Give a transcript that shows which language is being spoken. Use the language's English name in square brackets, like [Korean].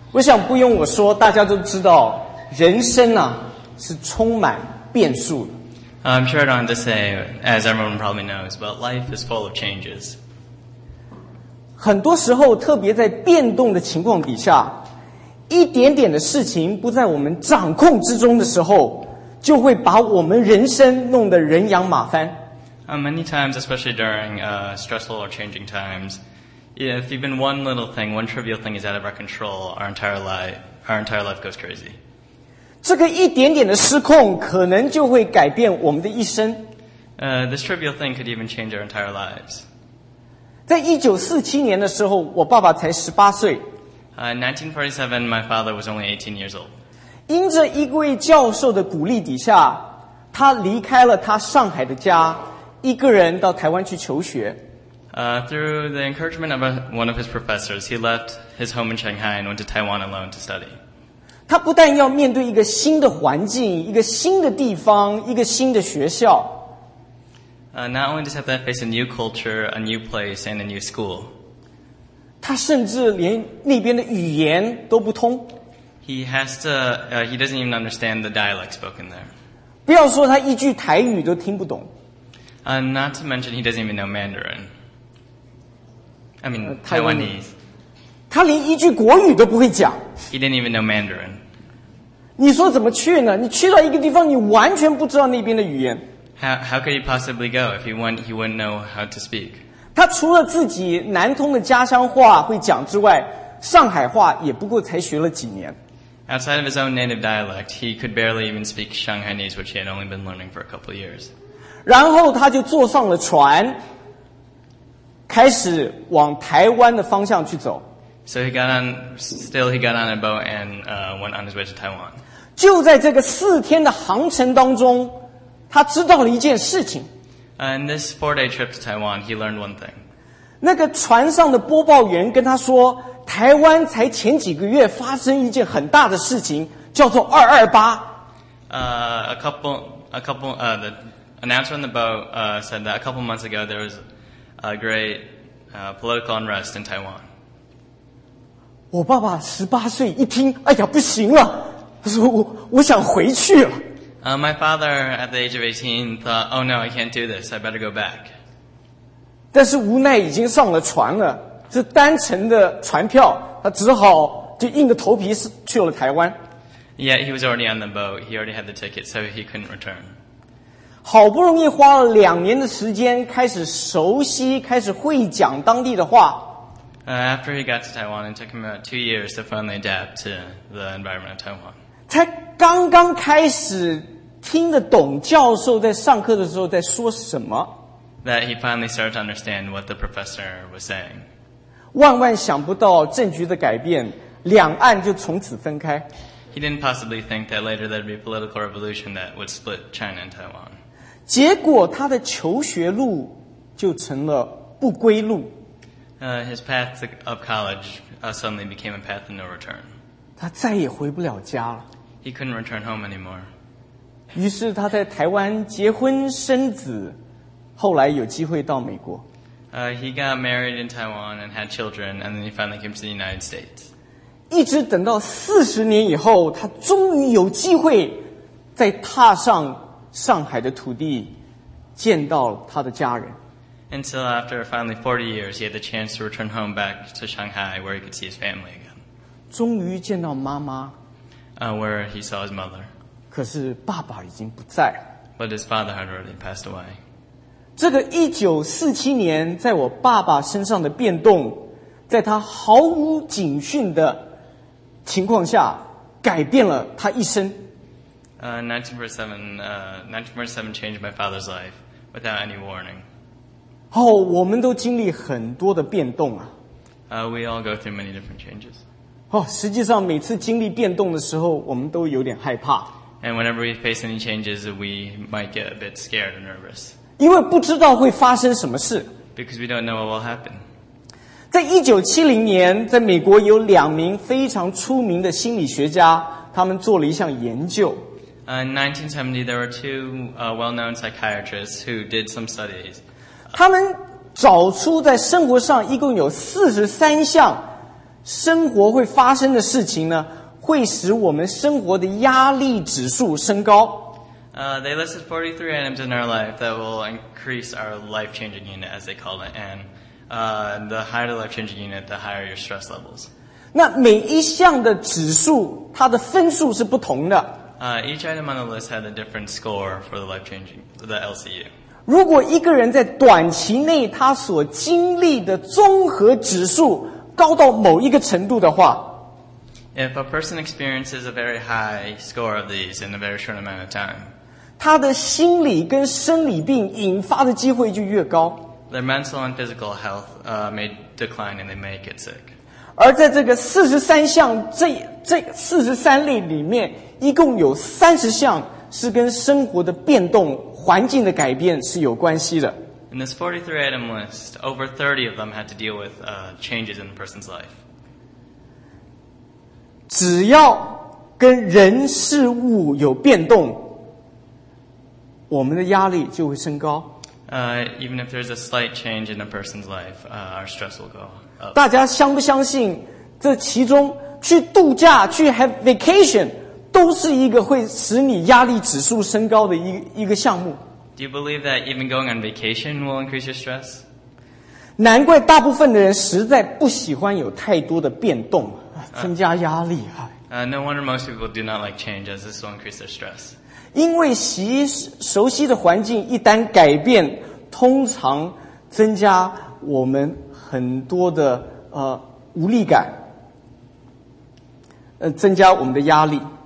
[Chinese] 我想不用我说，大家都知道，人生啊是充满变数的。 [English] I'm sure I don't have to say, as everyone probably knows, but life is full of changes. [Chinese] 很多时候，特别在变动的情况底下，一点点的事情不在我们掌控之中的时候，就会把我们人生弄得人仰马翻。 [English] Many times, especially during stressful or changing times, if even one little thing, one trivial thing is out of our control, our entire life goes crazy. [Chinese] 这个一点点的失控可能就会改变我们的一生。 [English] This trivial thing could even change our entire lives. [Chinese] 在1947年的时候，我爸爸才18岁。 [English] In 1947, my father was only 18 years old. [Chinese] 因着一位教授的鼓励底下，他离开了他上海的家，一个人到台湾去求学。 [English] Through the encouragement of one of his professors, he left his home in Shanghai and went to Taiwan alone to study. [Chinese] 他不但要面对一个新的环境，一个新的地方，一个新的学校。 [English] Not only does he have to face a new culture, a new place, and a new school. [Chinese] 他甚至连那边的语言都不通。 [English] He doesn't even understand the dialect spoken there. [Chinese] 不要说他一句台语都听不懂。 [English] Not to mention he doesn't even know Mandarin. I mean, Taiwanese. [Chinese] 他连一句国语都不会讲。 [English] He didn't even know Mandarin. [Chinese] 你说怎么去呢？你去到一个地方，你完全不知道那边的语言。 [English] How could he possibly go if he wouldn't know how to speak? [Chinese] 他除了自己南通的家乡话会讲之外，上海话也不过才学了几年。 [English] Outside of his own native dialect, he could barely even speak Shanghainese, which he had only been learning for a couple years. [Chinese] 然后他就坐上了船。开始往台湾的方向去走。 [English] So he got on, still he got on a boat and went on his way to Taiwan. [Chinese] 就在这个四天的航程当中，他知道了一件事情。 [English] In this 4-day trip to Taiwan, he learned one thing. [Chinese] 那个船上的播报员跟他说，台湾才前几个月发生一件很大的事情，叫做228。 [English] The announcer on the boat said that a couple months ago there was a great political unrest in Taiwan. [Chinese] 我爸爸18岁一听，哎呀，不行了，他说我想回去了。 [English] My father at the age of 18 thought, oh no, I can't do this, I better go back. [Chinese] 但是无奈已经上了船了，是单程的船票，他只好就硬着头皮去了台湾。 [English] Yet he was already on the boat, he already had the ticket, so he couldn't return. [Chinese] 好不容易花了两年的时间开始熟悉开始会讲当地的话。 [English] After he got to Taiwan, it took him about 2 years to finally adapt to the environment of Taiwan. [Chinese] 才刚刚开始听得懂教授在上课的时候在说什么。 [English] That he finally started to understand what the professor was saying. [Chinese] 万万想不到政局的改变，两岸就从此分开。 [English] He didn't possibly think that later there'd be a political revolution that would split China and Taiwan. [Chinese] 结果他的求学路就成了不归路。 [English] His path of college suddenly became a path of no return. [Chinese] 他再也回不了家了。 [English] He couldn't return home anymore. [Chinese] 于是他在台湾结婚生子，后来有机会到美国。 [English] He got married in Taiwan and had children, and then he finally came to the United States. [Chinese] 一直等到40年以后，他终于有机会再踏上上海的土地，见到他的家人。 [English] Until after finally 40 years, he had the chance to return home back to Shanghai, where he could see his family again. [Chinese] 终于见到妈妈。 [English] Where he saw his mother. [Chinese] 可是爸爸已经不在。 [English] But his father had already passed away. [Chinese] 这个1947年在我爸爸身上的变动，在他毫无警讯的情况下，改变了他一生。 [English] 1947 changed my father's life without any warning. [Chinese] Oh, 我们都经历很多的变动啊。 [English] We all go through many different changes. [Chinese] Oh, 实际上每次经历变动的时候，我们都有点害怕。 [English] And whenever we face any changes, we might get a bit scared or nervous. [Chinese] 因为不知道会发生什么事。 [English] Because we don't know what will happen. [Chinese] 在1970年，在美国有两名非常出名的心理学家，他们做了一项研究。 [English] In 1970, there were two well-known psychiatrists who did some studies. [Chinese] 他们找出在生活上一共有43项生活会发生的事情呢，会使我们生活的压力指数升高。 [English] They listed 43 items in our life that will increase our life-changing unit, as they call it. And the higher the life-changing unit, the higher your stress levels. [Chinese] 那每一项的指数，它的分数是不同的。 [English] Each item on the list had a different score for the life-changing, the LCU. [Chinese] 如果一个人在短期内他所经历的综合指数高到某一个程度的话， [English] If a person experiences a very high score of these in a very short amount of time, [Chinese] 他的心理跟生理病引发的机会就越高。 [English] Their mental and physical health may decline and they may get sick. [Chinese] 而在这个43项这43类里面，一共有30项是跟生活的变动、环境的改变是有关系的。 [English] In this 43 item list, over 30 of them had to deal with changes in a person's life. [Chinese] 只要跟人事物有变动，我们的压力就会升高。 [English] Even if there's a slight change in a person's life, our stress will go up. [Chinese] 大家相不相信这其中去度假、去 [English] have vacation [Chinese] 都是一个会使你压力指数升高的一个项目？ [English] Do you believe that even going on vacation will increase your stress? [Chinese] 难怪大部分的人实在不喜欢有太多的变动，增加压力。 [English] No wonder most people do not like change, as this will increase their stress. [Chinese] 因为熟悉的环境一旦改变，通常增加我们很多的无力感，增加我们的压力。